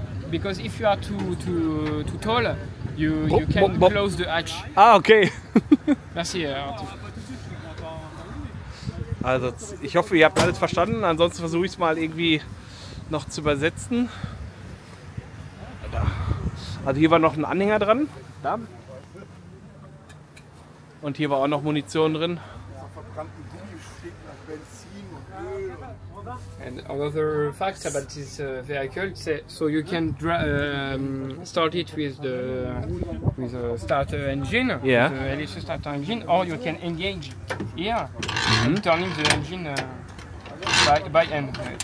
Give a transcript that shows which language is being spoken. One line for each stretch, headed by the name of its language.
English: because if you are too tall, you can close the hatch. Ah, okay.
French: Merci.
German: Also, ich hoffe, ihr habt alles verstanden. Ansonsten versuche ich es mal irgendwie noch zu übersetzen. Also hier war noch ein Anhänger dran. Da. Und hier war auch noch Munition drin.
English: And another fact about this vehicle, so you can start it with a starter engine, yeah, electric starter engine, or you can engage here, turning the engine by hand.